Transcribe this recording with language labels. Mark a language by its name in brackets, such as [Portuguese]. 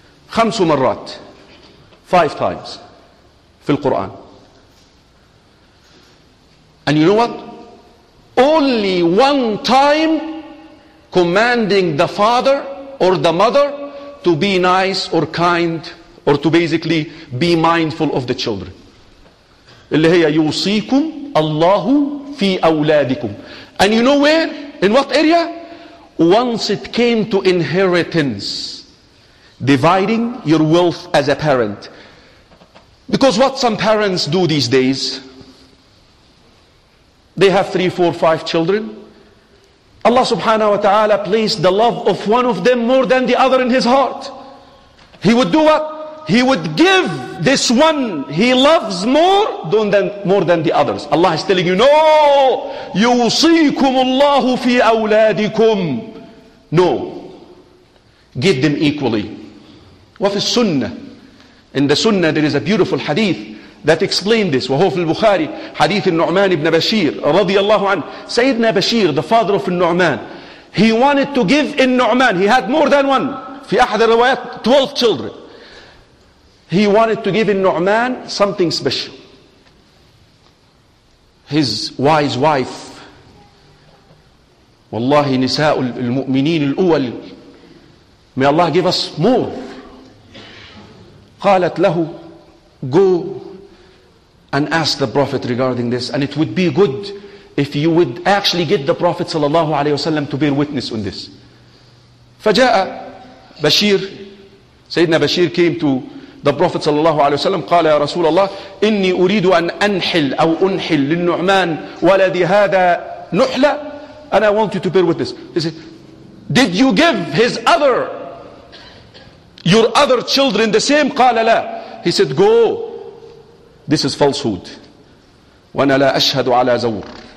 [English] 5 times, 5 times, [Arabic] في القرآن. [English] And you know what? only one time commanding the father or the mother to be nice or kind, or to basically be mindful of the children. [Arabic] اللي هي يوصيكم الله في أولادكم. [English] And you know where? In what area? Once it came to inheritance, dividing your wealth as a parent. Because what some parents do these days, they have 3, 4, 5 children. Allah subhanahu wa ta'ala placed the love of one of them more than the other in his heart. He would do what? He would give this one he loves more than the others. Allah is telling you, no, [Arabic] yusikumullahu fi awladikum. [English] No, give them equally. [Arabic] وفي السنة, [English] in the sunnah there is a beautiful hadith that explained this. [Arabic] وهو في البخاري حديث النعمان بن بشير رضي الله عنه. [English] Sayyidina Bashir, the father of النعمان, he wanted to give النعمان, he had more than one, [Arabic] في أحد الروايات [English] 12 children. He wanted to give النعمان something special. His wise wife, [Arabic] والله نساء المؤمنين الأول, [English] may Allah give us more. [Arabic] قالت له, [English] go and ask the Prophet regarding this, and it would be good if you would actually get the Prophet sallallahu alaihi wasallam to bear witness on this. [Arabic] فجاء بشير, سيدنا بشير [English] came to the Prophet sallallahu alaihi wasallam. [Arabic] قال يا رسول الله إني أريد أن أنحل أو أنحل للنعمان ولدي هذا نحلة, [English] and I want you to bear witness. He said, did you give his other, your other children the same? [Arabic] قال لا. [English] He said, go. This is falsehood. [Arabic] وأنا لا أشهد على زور.